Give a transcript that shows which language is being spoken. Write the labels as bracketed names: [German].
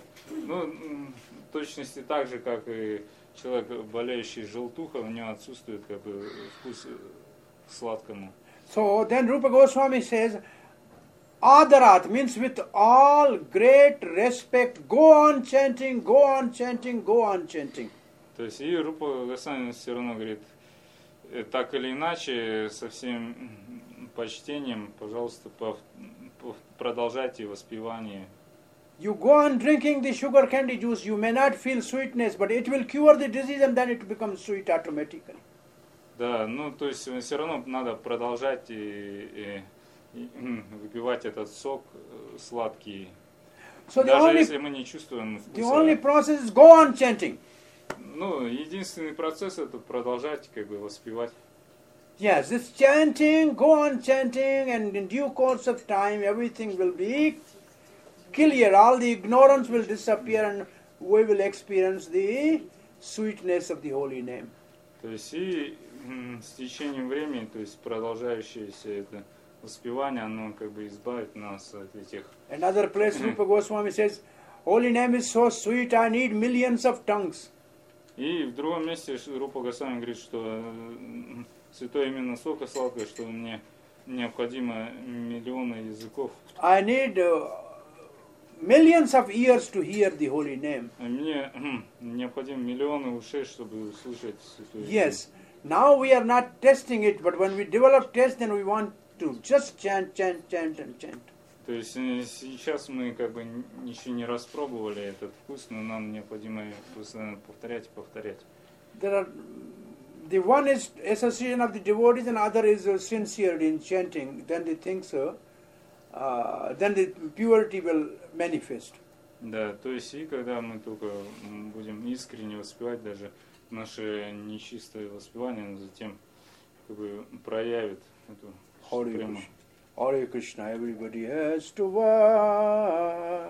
[Russian] Ну, в точности так же, как и человек, болеющий желтухой, у него отсутствует как бы вкус к сладкому. [English] So then Rupa Goswami says, Adarat means with all great respect, go on chanting, go on chanting, go on chanting. [Russian] То есть и Рупа Госвами все равно говорит, так или иначе, со всем почтением, пожалуйста, продолжайте воспевание. [English] You go on drinking the sugar candy juice, you may not feel sweetness, but it will cure the disease and then it becomes sweet automatically. [Russian] Да, ну то есть все равно надо продолжать и выпивать этот сок сладкий. So даже only, если мы не чувствуем вкуса. [English] The only process is go on chanting. [Russian] Ну, единственный процесс это продолжать как бы воспевать. [English] Yes, it's chanting, go on chanting, and in due course of time, everything will be clear. All the ignorance will disappear, and we will experience the sweetness of the holy name. [Russian] То есть и с течением времени, то есть продолжающееся это воспевание, оно как бы избавит нас от этих... [English] Another place Rupa Goswami says, holy name is so sweet, I need millions of tongues. [Russian] И в другом месте Рупа Госвами говорит, что... Святое имя настолько сладкое, что мне необходимо миллионы языков. [English] I need millions of ears to hear the holy name. [Russian] Мне необходимо миллионы ушей, чтобы услышать святое имя. [English] Yes. Now we are not testing it, but when we develop taste, then we want to just chant, chant, chant, and chant. [Russian] То есть сейчас мы как бы ничего не распробовали этот вкус, но нам необходимо постоянно повторять и повторять. [English] There are, the one is association of the devotees and other is sincerely in chanting, then they think so, then the purity will manifest. [Russian] Да, то есть и когда мы только будем искренне воспевать, даже наше нечистое воспевание, затем как бы проявит эту [English] Hare Krishna, everybody has to work.